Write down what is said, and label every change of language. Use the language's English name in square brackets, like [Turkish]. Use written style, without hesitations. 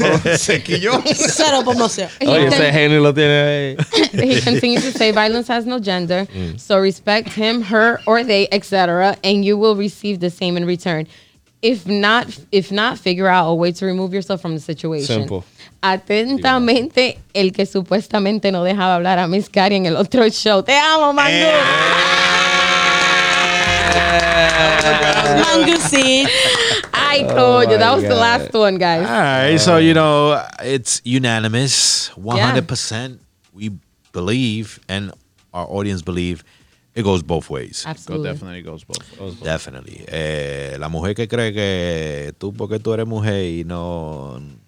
[Spanish] Cero promoción. [English] He continues to say violence has no gender, so respect him, her, or they, etc., and you will receive the same in return. If not, figure out a way to remove yourself from the situation. Simple. [Spanish] Atentamente, el que supuestamente no dejaba hablar a Miss Cari en el otro show. Te amo, Mangu. Mangu, see. Ay, coño. [English] That was the last one, guys. All right. So, you know, it's unanimous. 100%. Yeah. We believe, and our audience believe, it goes both ways. Absolutely. Definitely goes both ways. Definitely. [Spanish] La mujer que cree que tú, porque tú eres mujer y no...